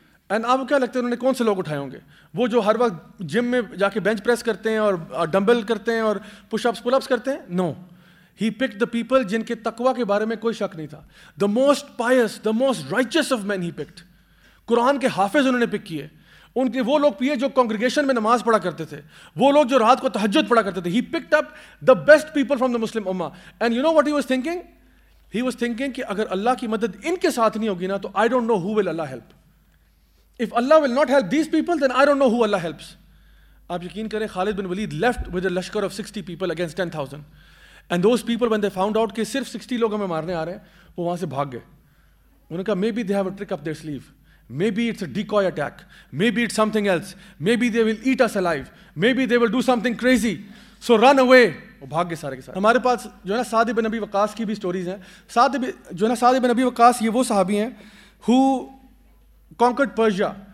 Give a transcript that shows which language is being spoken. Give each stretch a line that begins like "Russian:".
Urdu: And آپ کو کیا لگتا ہے انہوں نے کون سے لوگ اٹھائے ہوں گے؟ وہ جو ہر وقت جم میں جا کے بینچ پریس کرتے ہیں اور ڈمبل کرتے ہیں اور پش اپس پل اپس کرتے ہیں؟
English: no, he pick the people
Urdu: جن کے تقویٰ کے بارے میں کوئی شک نہیں تھا.
English: The most pious, the most richest of men he picked.
Urdu: قرآن کے حافظ انہوں نے پک کیے, ان کے وہ لوگ پیے جو کانگریگیشن میں نماز پڑھا کرتے تھے, وہ لوگ جو رات کو تہجد پڑھا کرتے تھے.
English: He picked up the best people from the Muslim امہ. And you know what he was thinking
Urdu: کہ اگر اللہ کی مدد ان کے ساتھ نہیں ہوگی نا تو
English: I don't know who will Allah help. If Allah will not help these people, then I don't know who Allah helps.
Urdu: آپ یقین کریں,
English: Khalid bin Walid left with a لشکر of 60 people against 10,000. And those people, when they found out
Urdu: کہ صرف 60 لوگ ہمیں مارنے آ رہے ہیں, وہ وہاں سے بھاگ گئے. انہوں نے کہا,
English: maybe they have a trick up their sleeve. Maybe it's a decoy attack. Maybe it's something else. Maybe they will eat us alive. Maybe they will do something crazy. So run away.
Urdu: وہ بھاگ گئے سارے کے سارے. ہمارے پاس جو ہے نا سعد بن ابی وقاص کی بھی اسٹوریز ہیں. سعد بن ابی وقاص یہ وہ صحابی ہیں
English: who conquered Persia.